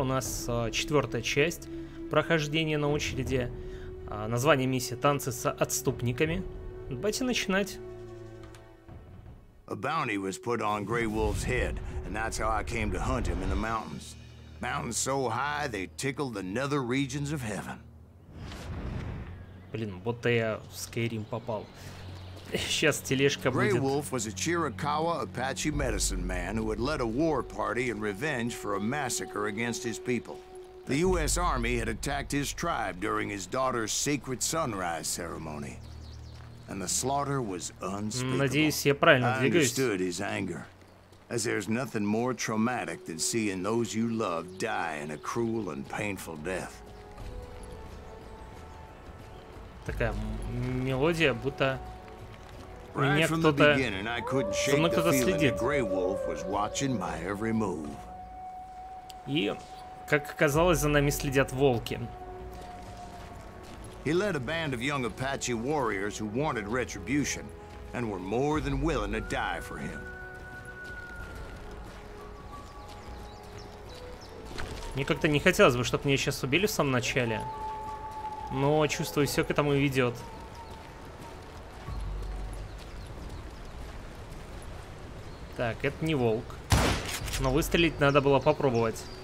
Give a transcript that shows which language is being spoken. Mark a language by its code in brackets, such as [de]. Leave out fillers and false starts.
[ru] У нас четвертая часть прохождения на очереди. Название миссии — «Танцы с отступниками». Давайте начинать. [en] A bounty was put on Grey Wolf's head, and that's how I came to hunt him in the mountains. Mountains so high, they tickle the nether regions of heaven. [ru] Блин, будто я в Skyrim попал. Сейчас тележка будет. [en] Grey Wolf was a Chiricahua Apache medicine man who had led a war party in revenge for a massacre against his people. The U.S. Army had attacked his tribe during his daughter's sacred sunrise ceremony, and the slaughter was unspeakable. I understood his anger, as there's nothing more traumatic than seeing those you love die in a cruel and painful death. [ru] Такая мелодия, будто меня кто-то... [en] Right from the beginning, I couldn't shake the feeling that Grey Wolf was watching my every move. [ru] И... Как оказалось, за нами следят волки. [en] He led a band of young Apache warriors who wanted retribution and were more than willing to die for him. [ru] Мне как-то не хотелось бы, чтобы меня сейчас убили в самом начале. Но чувствую, все к этому и ведет. Так, это не волк. Но выстрелить надо было попробовать.